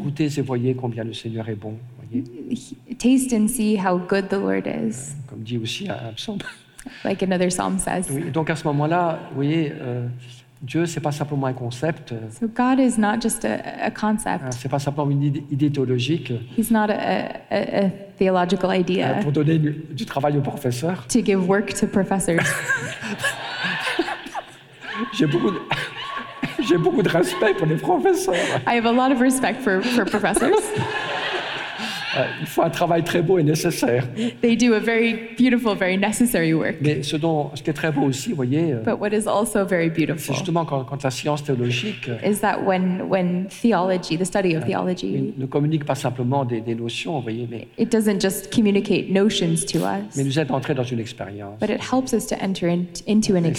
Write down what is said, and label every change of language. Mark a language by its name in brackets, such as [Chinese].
[French] Goûtez et voyez combien le Seigneur est bon. [English] Taste and see how good the Lord is. [French] Comme dit aussi un psaume. [English] Like another psalm says. [French] Oui, donc à ce moment-là, vous voyez, Dieu, c'est pas simplement un concept. [English] So God is not just a concept. [French] C'est pas simplement une idée théologique. [English] He's not a theological idea. [French] Pour donner du travail aux professeurs. [English] To give work to professors. [French] J'ai beaucoup de respect pour les professeurs. [English] I have a lot of respect for professors. [French] Il faut un travail très beau et nécessaire. [English] They do a very beautiful, very necessary work. [French] Mais ce qui est très beau aussi, vous voyez, [English] but what is also very beautiful, [French] c'est justement quand la science théologique [English] is that when theology, the study of theology, [French] ne communique pas simplement des notions, vous voyez, mais [English] it doesn't just communicate notions to us, [French] mais nous aide à entrer dans une expérience. [English] But it helps us to enter into an experience.